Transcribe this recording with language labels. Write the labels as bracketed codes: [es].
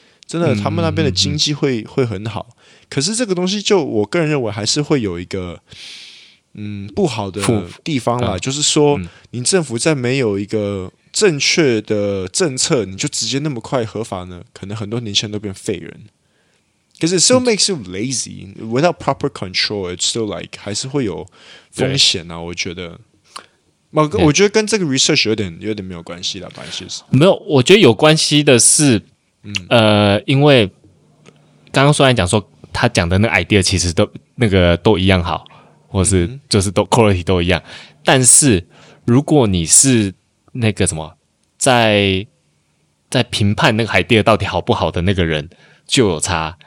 [zh] 真的他们那边的经济 会很好。可是这个东西就我个人认为还是会有一个不好的地方啦，就是说你政府在没有一个正确的政策你就直接那么快合法呢，可能很多年轻人都变废人。 [en] Because it still makes you lazy. Without proper control, it's still like, 还是会有风险啊，我觉得。 [zh] 我觉得跟这个 research 有点没有关系啦，反正就是。没有，我觉得有关系的是，因为刚刚虽然讲说他讲的那个 idea 其实都那个都一样好，或是就是都 quality 都一样，但是如果你是那个什么在评判那个 idea 到底好不好的那个人就有差。